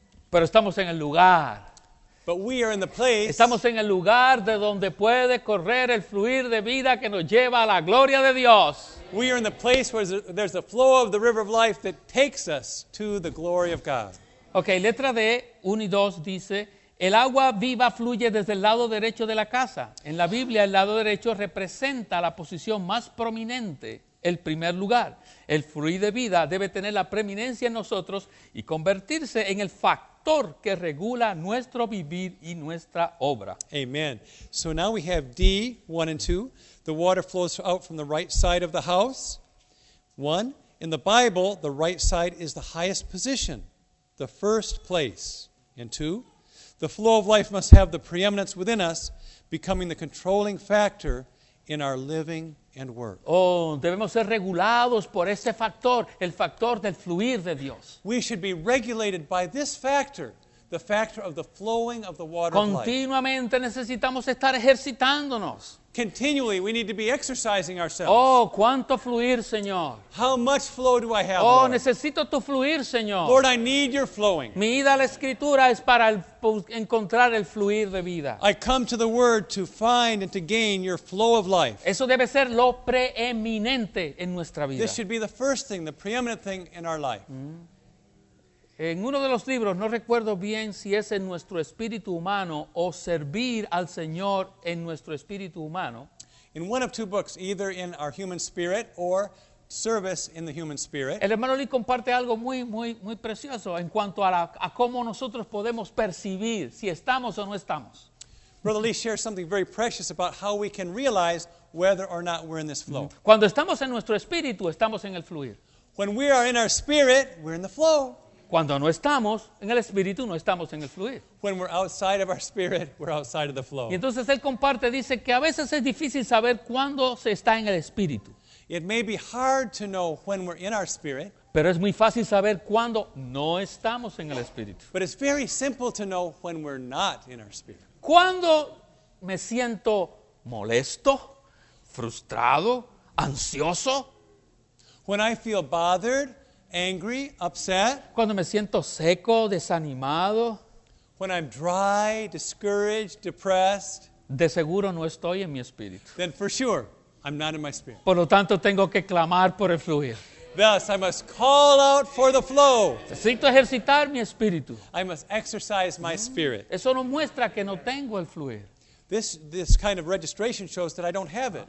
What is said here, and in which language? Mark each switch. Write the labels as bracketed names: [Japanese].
[Spanish] Pero estamos en el lugar. [English] But we are in the place. [Spanish] Estamos en el lugar de donde puede correr el fluir de vida que nos lleva a la gloria de Dios. [English] We are in the place where there's a flow of the river of life that takes us to the glory of God. [Spanish] Okay, letra D, 1 y 2 dice, el agua viva fluye desde el lado derecho de la casa. En la Biblia, el lado derecho representa la posición más prominente, el primer lugar. El fluir de vida debe tener la preeminencia en nosotros y convertirse en el factor que regula nuestro vivir y nuestra obra. [English] Amen. So now we have D, 1 and 2. The water flows out from the right side of the house. One, in the Bible, the right side is the highest position, the first place. And two, the flow of life must have the preeminence within us, becoming the controlling factor in our living and work. [Spanish] Oh, debemos ser regulados por este factor, el factor del fluir de Dios. [English] We should be regulated by this factor. The factor of the flowing of the water. [Spanish] Continuamente necesitamos estar ejercitándonos. [English] Continually, we need to be exercising ourselves. [Spanish] Oh, cuánto fluir, Señor. [English] How much flow do I have, oh, Lord? [Spanish] Oh, necesito tu fluir, Señor. [English] Lord, I need your flowing. [Spanish] Mi ida a la Escritura es para encontrar el fluir de vida. [English] I come to the Word to find and to gain your flow of life. [Spanish] Eso debe ser lo preeminente en nuestra vida. [English] This should be the first thing, the preeminent thing in our life. Mm-hmm. [Spanish] En uno de los libros, no recuerdo bien si es en nuestro espíritu humano o servir al Señor en nuestro espíritu humano. [English] In one of two books, either in our human spirit or service in the human spirit. [Spanish] El hermano Lee comparte algo muy, muy, muy precioso en cuanto a cómo nosotros podemos percibir si estamos o no estamos. [English] Brother Lee shares something very precious about how we can realize whether or not we're in this flow. [Spanish] Cuando estamos en nuestro espíritu, estamos en el fluir. [English] When we are in our spirit, we're in the flow. [Spanish] Cuando no estamos en el espíritu, no estamos en el fluir. [English] When we're outside of our spirit, we're outside of the flow. [Spanish] Y entonces él comparte, dice que a veces es difícil saber cuándo se está en el espíritu. [English] It may be hard to know when we're in our spirit. [Spanish] Pero es muy fácil saber cuándo no estamos en el espíritu. [English] But it's very simple to know when we're not in our spirit. [Spanish] ¿Cuándo me siento molesto, frustrado, ansioso? [English] When I feel bothered, angry, upset. [Spanish] Cuando me siento seco, desanimado. [English] When I'm dry, discouraged, depressed. [Spanish] De seguro no estoy en mi espíritu. [English] Then for sure, I'm not in my spirit. [Spanish] Por lo tanto, tengo que clamar por el fluir. [English] Thus, I must call out for the flow. [Spanish] Necesito ejercitar mi espíritu. [English] I must exercise my spirit. [Spanish] Eso no muestra que no tengo el fluir. [English] This kind of registration shows that I don't have it.